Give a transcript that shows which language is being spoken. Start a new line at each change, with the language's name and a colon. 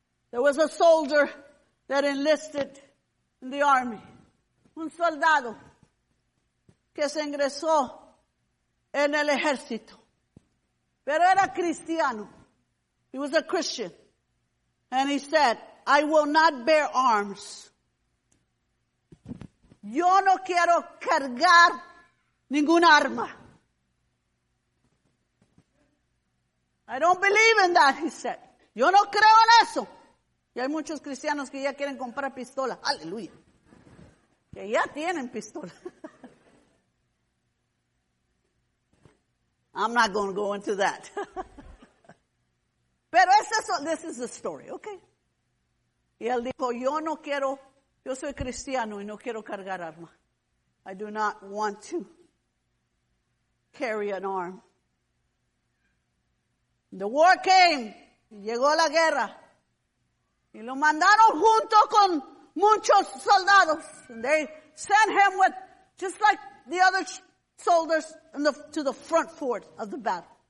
English: There was a soldier that enlisted in the army.
Spanish: Un soldado que se ingresó en el ejército. Pero era cristiano.
English: He was a Christian. And he said, I will not bear arms.
Spanish: Yo no quiero cargar ningún arma.
English: I don't believe in that, he said.
Spanish: Yo no creo en eso. Y hay muchos cristianos que ya quieren comprar pistola. Aleluya. Que ya tienen pistola.
English: I'm not going to go into that.
Spanish: Pero es eso,
English: this is the story, okay?
Spanish: Y él dijo, yo soy cristiano y no quiero cargar arma.
English: I do not want to carry an arm. The war came.
Spanish: Llegó la guerra. Y lo mandaron junto con muchos soldados.
English: And they sent him with, just like the other soldiers, to the front fort of the battle.